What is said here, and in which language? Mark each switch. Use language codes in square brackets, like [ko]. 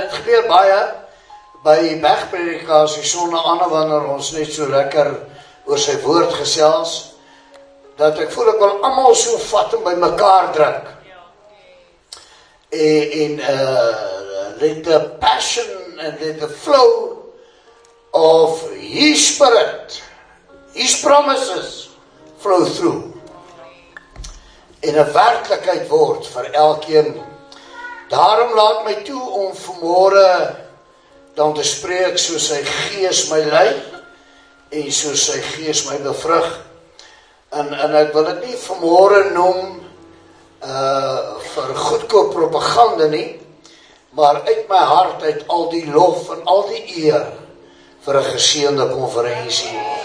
[af] Dit gebeur baie by die bergpredikasie sonder ander wanneer ons net so lekker oor sy woord gesels, dat ek voel ek wil almal so vat en by mekaar druk. [en] En let the passion and let the flow of his spirit, his promises flow through. [af] En 'n werklikheid word vir elkeen. Daarom laat my toe om vanmôre dan te spreek soos sy gees my lei en soos sy gees my bevrug. En ek wil dit nie vanmôre noem vir goedkoop propaganda nie, maar uit my hart uit al die lof en al die eer vir 'n geseënde konferensie.